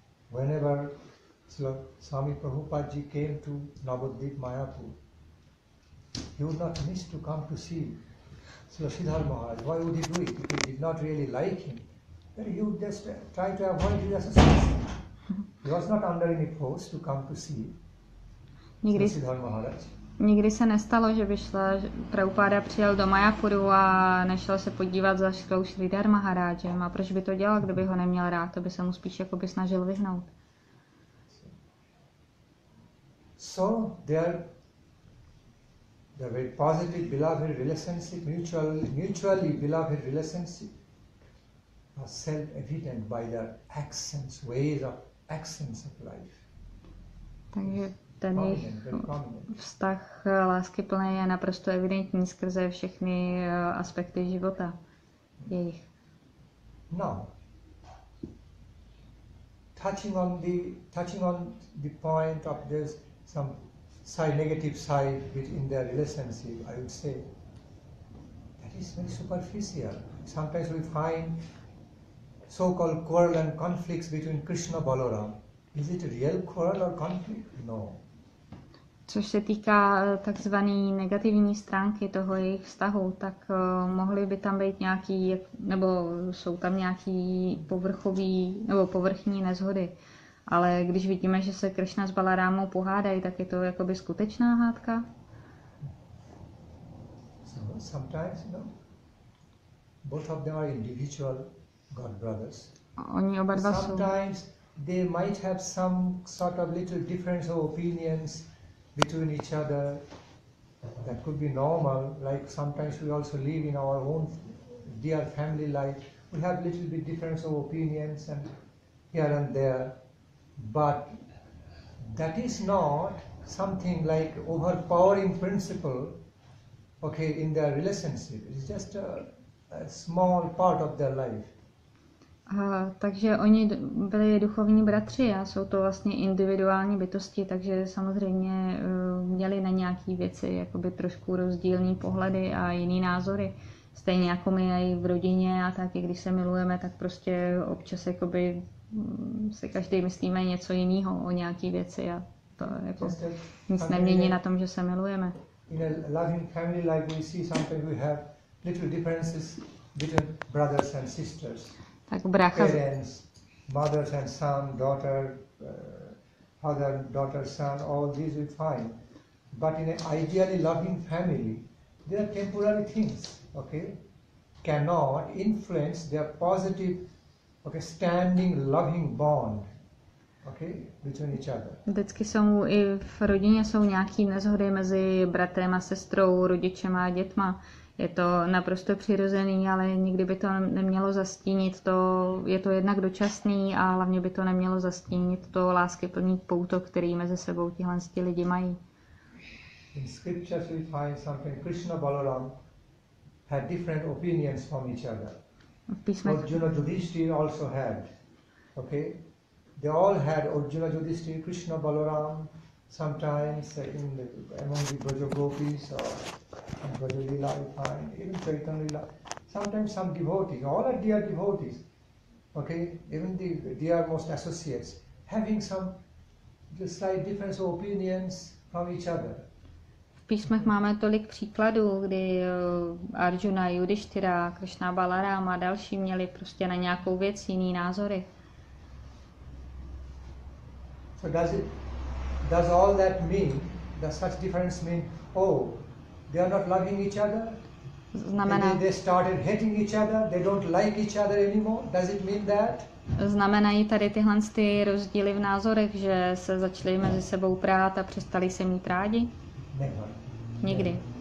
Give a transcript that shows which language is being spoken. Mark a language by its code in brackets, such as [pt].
[en] Whenever Swami Prabhupada ji came to Navadvip Mayapur, he would not miss to come to see Srila Sridhar Maharaj. Why would he do it? Because he did not really like him. But he would just try to avoid his association. He was not under any force to come to see Srila Sridhar Maharaj. [cs] Nikdy se nestalo, že by šla Prabhupada přijel do Mayapuru a nešel se podívat za Srilou Sridhar Maharajem. A proč by to dělal, kdyby ho neměl rád? To by se mu spíš jakoby snažil vyhnout. [en] So there the very positive beloved relationship, mutually beloved relationship, are self-evident by their actions, ways of actions of life. [cs] Takže ten jejich vztah lásky plný je naprosto evidentní skrze všechny aspekty života jejich. [en] Now, touching on the point of there's some side, negative side within their relationship, I would say that is very superficial. Sometimes we find so-called quarrel and conflicts between Krishna Balaram. Is it a real quarrel or conflict? No. [cs] Což se týká takzvané negativní stránky toho jejich vztahu, tak mohly by tam být nějaký, nebo jsou tam nějaký povrchový nebo povrchní nezhody. Ale když vidíme, že se Krishna s Balarámou pohádají, tak je to jakoby skutečná hádka. [en] Sometimes, you know, both of them are individual god brothers. [cs] Oni oba dva jsou. [en] Sometimes they might have some sort of little difference of opinions between each other, that could be normal. Like sometimes we also live in our own dear family life, we have little bit difference of opinions and here and there, but that is not something like overpowering principle, okay, in their relationship. It's just a small part of their life. [cs] Takže oni byli duchovní bratři a jsou to vlastně individuální bytosti, takže samozřejmě měli na nějaké věci jakoby trošku rozdílné pohledy a jiné názory. Stejně jako my i v rodině a tak, i když se milujeme, tak prostě občas jakoby se každý myslíme něco jiného o nějaké věci a to jako nic nemění na tom, že se milujeme. [en] In a loving family life we see something, we have little differences between brothers and sisters. [cs] Tak brácha, [en] parents, mothers and son, daughter, father, daughter, son, all these we find. But in an ideally loving family, they are temporary things, okay? Cannot influence their positive, okay, standing, loving bond, okay, between each other. [cs] Vždycky jsou i v rodině jsou nějaký nezhody mezi bratrem a sestrou, rodičema a dětma. Je to naprosto přirozený, ale nikdy by to nemělo zastínit to, je to jednak dočasný a hlavně by to nemělo zastínit to láskyplný pouto, který mezi sebou tihle lidi mají. [en] In scriptures we find something Krishna Balaram had different opinions from each other. Arjuna Yudhishthira also had. Okay? They all had Arjuna Yudhishthira, Krishna Balaram sometimes in the, among the Braja Gopis or Braja Lila we find, even Chaitanya Lila. Sometimes some devotees, all are dear devotees, okay, even the dear most associates, having some slight difference of opinions from each other. [cs] V písmech máme tolik příkladů, kdy Arjuna, Yudhishthira, Krishna Balaram a další měli prostě na nějakou věc jiný názory. [en] So does all that mean, does such difference mean, oh, they are not loving each other? [cs] Znamená, [en] and they started hating each other, they don't like each other anymore, does it mean that? [cs] Znamenají tady tyhle ty rozdíly v názorech, že se začali mezi sebou prát a přestali se mít rádi? Nikdy.